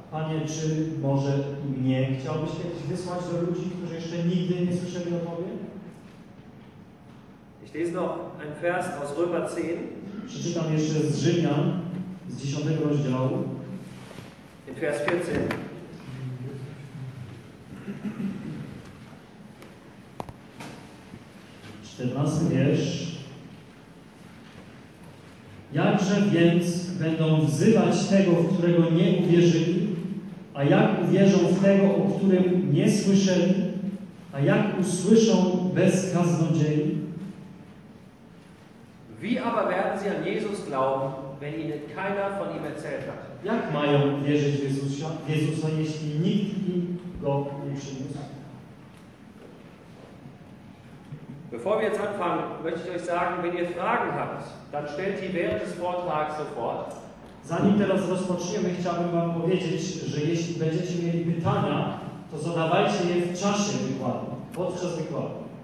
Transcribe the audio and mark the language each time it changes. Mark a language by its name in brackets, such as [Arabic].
[Polish] Panie, czy może mnie chciałbyś kiedyś wysłać do ludzi, którzy jeszcze nigdy nie słyszeli o Tobie? [German] Ich lese noch ein Vers aus Römer 10. [Polish] Przeczytam jeszcze z Rzymian, z 10 rozdziału. [German] In Vers 14. [Polish] Czternasty wiersz. Jakże więc będą wzywać tego, w którego nie uwierzyli, a jak uwierzą w tego, o którym nie słyszeli, a jak usłyszą bez kaznodziei? [German] Wie aber werden sie an Jesus glauben, wenn ihnen keiner von ihm erzählt hat? [Polish] Jak mają wierzyć w Jezusa, jeśli nikt im go nie przyniósł? [German] Bevor wir jetzt anfangen, möchte ich euch sagen, wenn ihr Fragen habt, dann stellt die während des Vortrags sofort. [Polish] Zanim teraz rozpoczniemy, chciałbym wam powiedzieć, że jeśli będziecie mieli pytania, to zadawajcie je w czasie wykładu, podczas wykładu.